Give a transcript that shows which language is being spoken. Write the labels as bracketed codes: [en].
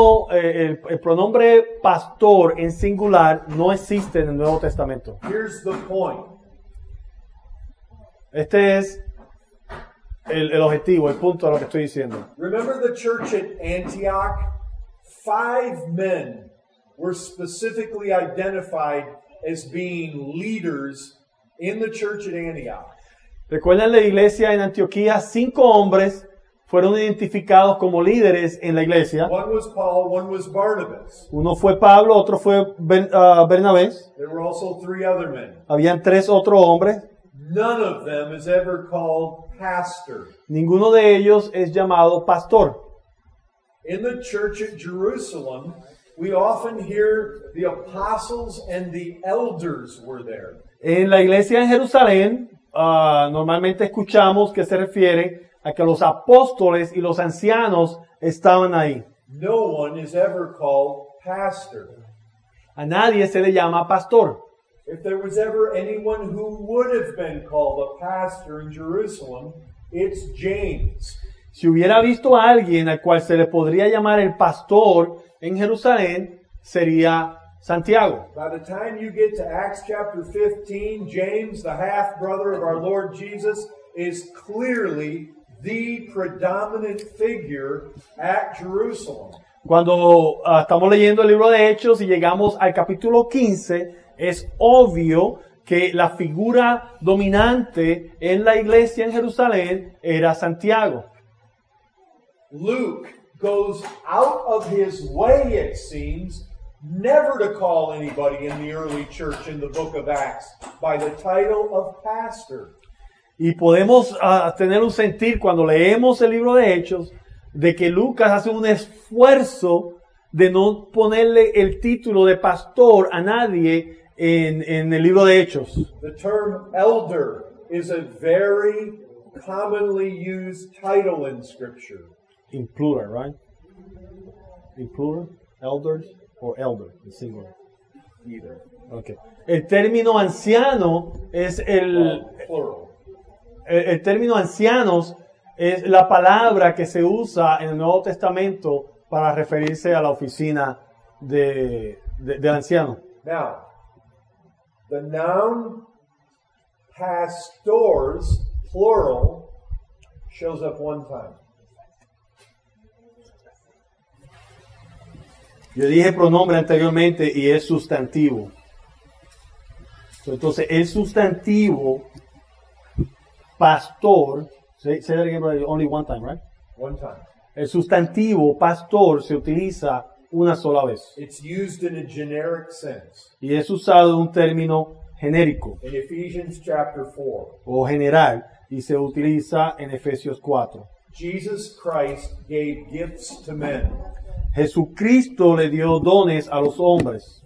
[es] El pronombre pastor en singular no existe en el Nuevo Testamento. [en] Here's the point. [es] Este es el objetivo, el punto de lo que estoy diciendo. [en] Remember the church at Antioch? 5 men were specifically identified as being leaders in the church at Antioch. [es] ¿Recuerdan la iglesia en Antioquía? 5 hombres fueron identificados como líderes en la iglesia. [en] One was Paul, one was Barnabas. [es] Uno fue Pablo, otro fue Bernabé. [en] There were also 3 other men. [es] Habían 3 otros hombres. [en] None of them is ever called pastor. [es] Ninguno de ellos es llamado pastor. [en] In the church at Jerusalem, We often hear the apostles and the elders were there. [es] En la iglesia en Jerusalén, normalmente escuchamos que se refiere a que los apóstoles y los ancianos estaban ahí. [en] No one is ever called pastor. [es] A nadie se le llama pastor. [en] If there was ever anyone who would have been called a pastor in Jerusalem, it's James. [es] Si hubiera visto a alguien al cual se le podría llamar el pastor en Jerusalén, sería Santiago. [en] By the time you get to Acts chapter 15, James, the half-brother of our Lord Jesus, is clearly the predominant figure at Jerusalem. [es] Cuando estamos leyendo el libro de Hechos y llegamos al capítulo 15, es obvio que la figura dominante en la iglesia en Jerusalén era Santiago. [en] Luke goes out of his way, it seems, never to call anybody in the early church in the book of Acts by the title of pastor. [es] Y podemos tener un sentir cuando leemos el libro de Hechos de que Lucas hace un esfuerzo de no ponerle el título de pastor a nadie en el libro de Hechos. [en] The term elder is a very commonly used title in Scripture. In plural, right? In plural? Elders or elder? In singular? Either. Okay. [es] El término anciano es el... plural. El término ancianos es la palabra que se usa en el Nuevo Testamento para referirse a la oficina del anciano. [en] Now, the noun pastors, plural, shows up one time. [es] Yo dije pronombre anteriormente y es sustantivo. Entonces, el sustantivo pastor, [en] say that again, brother, only one time, right? One time. [es] El sustantivo pastor se utiliza una sola vez. [en] It's used in a generic sense. [es] Y es usado en un término genérico. [en] In Ephesians chapter 4. [es] O general, y se utiliza en Efesios 4. [en] Jesus Christ gave gifts to men. [es] Jesucristo le dio dones a los hombres.